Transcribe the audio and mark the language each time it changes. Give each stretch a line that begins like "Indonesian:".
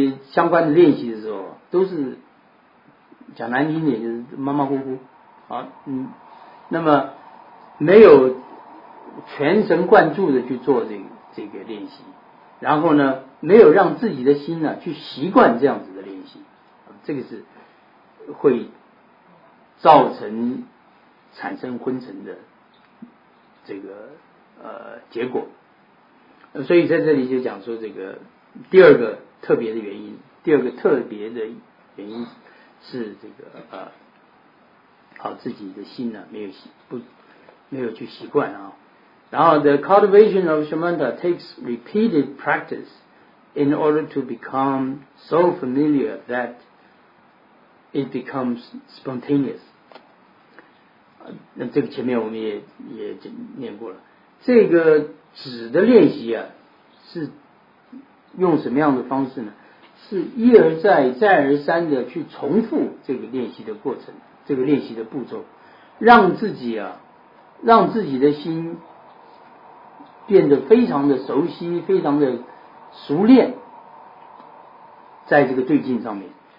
Chinese: 相关的练习的时候，都是讲难听点就是马马虎虎啊，那么没有全神贯注的去做这个练习，然后呢没有让自己的心呢去习惯这样子的练习，这个是会造成产生昏沉的这个结果。所以在这里就讲说这个第二个特别的原因，第二个特别的原因是这个自己的心呢没有去习惯啊。然后
English: the cultivation of shamatha takes repeated practice in order to become so familiar that it becomes spontaneous。
Chinese: 那这个前面我们也念过了，这个止的练习啊是用什么样的方式呢，是一而再再而三的去重复这个练习的过程，这个练习的步骤，让自己啊让自己的心变得非常的熟悉，非常的熟练在这个对境上面。